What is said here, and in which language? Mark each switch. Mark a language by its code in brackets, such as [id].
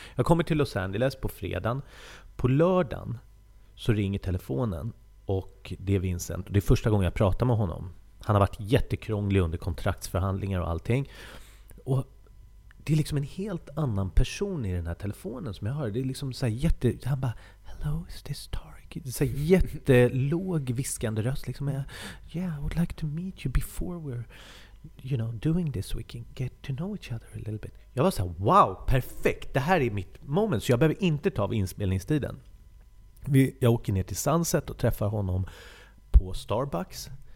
[sv] Jag kommer till Los Angeles på fredagen. På lördagen så ringer telefonen och det är Vincent. Det är första gången jag pratar med honom. Han har varit jättekrånglig under kontraktsförhandlingar och allting. Och det är liksom en helt annan person i den här telefonen som jag hör. Det är liksom så här jätte... Han bara, [en] hello, is this Tarik? [sv] Det är så här jättelåg viskande röst. [en] Liksom, yeah, I would like to meet you before we're, you know, doing this. We can get to know each other a little bit. [sv] Jag var så här, wow, perfekt. Det här är mitt moment. Så jag behöver inte ta av inspelningstiden. Jag åker ner till Sunset och träffar honom på Starbucks.